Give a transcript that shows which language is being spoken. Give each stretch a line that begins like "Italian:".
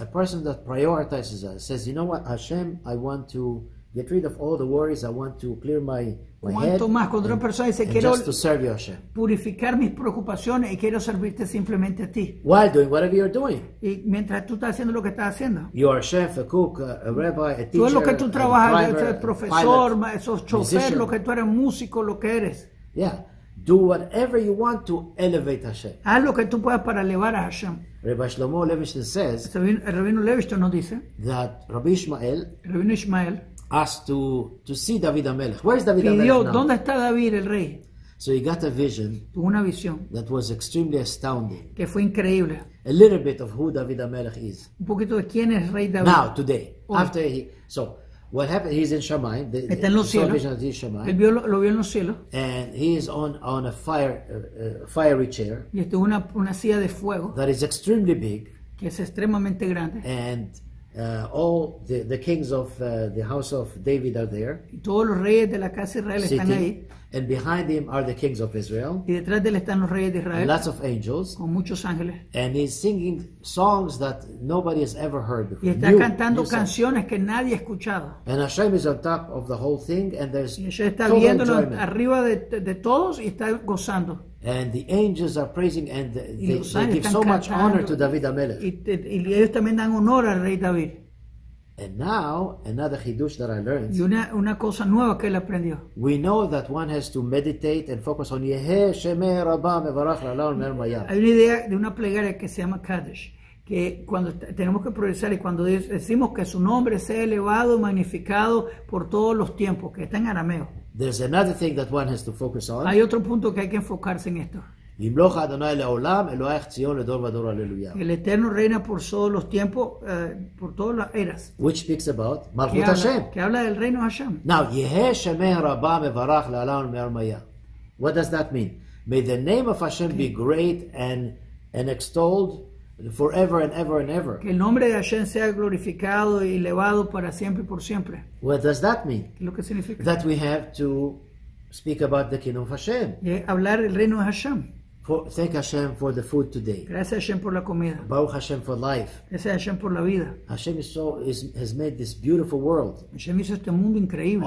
English: A person that prioritizes that says, you know what, Hashem, I want to get rid of all the worries. I want to clear my head.
Spanish: ¿Cuánto más? Cuando una persona dice, quiero
English: just to serve you, Hashem.
Spanish: Purificar mis preocupaciones y quiero servirte simplemente a ti.
English: While doing whatever you're doing.
Spanish: Y mientras tú estás haciendo lo que estás haciendo.
English: You are a chef, a cook, a rabbi, a teacher,
Spanish: tú es lo que tú trabajas,
English: a driver,
Spanish: el profesor,
English: pilot,
Spanish: esos chofer,
English: musician.
Spanish: Lo que tú eres músico, lo que eres.
English: Yeah. Do whatever you want to elevate Hashem.
Spanish: Haz lo que tú puedas para elevar a Hashem.
English: Rabbi Shlomo Levinstein says.
Spanish: El Rabino Levinstein nos dice.
English: That Rabbi Ishmael.
Spanish: Rabino Ishmael.
English: Asked to see David HaMelech. Where is David
Spanish: pidió,
English: HaMelech now?
Spanish: ¿Dónde está David, el rey?
English: So he got a vision.
Spanish: Una visión.
English: That was extremely astounding.
Spanish: Que fue increíble.
English: A little bit of who David HaMelech is.
Spanish: Un poquito de quién es rey David.
English: Now, today.
Spanish: Hoy.
English: After he... So, what happened? He's in Shammai.
Spanish: Está en los cielos.
English: Vision of Shammai.
Spanish: Él vio, lo vio en los cielos.
English: And he is on a fiery chair.
Spanish: Y está en una silla de fuego.
English: That is extremely big.
Spanish: Que es extremadamente grande.
English: And... all the kings of the house of David are there.
Spanish: Todos los reyes de la casa de Israel están ahí.
English: And behind him are the kings of Israel.
Spanish: Y detrás de él están los reyes de Israel.
English: Lots of angels.
Spanish: Con muchos ángeles.
English: And he's singing songs that nobody has ever heard before.
Spanish: Y está cantando canciones que nadie ha escuchado.
English: And Hashem is on top of the whole thing, and there's
Spanish: y Hashem está viéndolo arriba de todos y está gozando.
English: And the angels are praising, and they give so much
Spanish: cantando,
English: honor to David HaMelech.
Spanish: Y ellos también dan honor al rey David.
English: And now another chidush that I learned.
Spanish: Y una cosa nueva que él aprendió.
English: We know that one has to meditate and focus on
Aramaic: Yehi Shemei Rabbah Mevarach La'olam Mermayah.
Spanish: Hay una idea de una plegaria que se llama Kaddish, que cuando tenemos que progresar y cuando decimos que su nombre sea elevado, magnificado por todos los tiempos, que está en arameo.
English: There's another thing that one has to focus on.
Spanish: Hay otro punto que hay que enfocarse en esto.
Hebrew: Yimloch Adonai le'olam, Eloach Tzion le'dor v'dor, aleluya.
Spanish: El Eterno reina por todos los tiempos, por todas las eras.
English: Which speaks about Malchut Hashem.
Spanish: Que habla del reino Hashem.
English: Now,
Aramaic: Yehi Shemei Rabbah Mevarach La'olam Mermayah.
English: What does that mean? May the name of Hashem be great and extolled forever and ever and ever.
Spanish: Que el nombre de Hashem sea glorificado y elevado para siempre y por siempre.
English: What does that mean?
Spanish: Lo que significa.
English: That we have to speak about the kingdom of Hashem.
Spanish: Y hablar del reino de Hashem.
English: For, thank Hashem for the food today.
Spanish: Gracias a Hashem por la comida.
English: Baruch Hashem for life.
Spanish: Gracias a Hashem por la vida.
English: Hashem is so, is, has made this beautiful world.
Spanish: Hashem hizo este mundo increíble.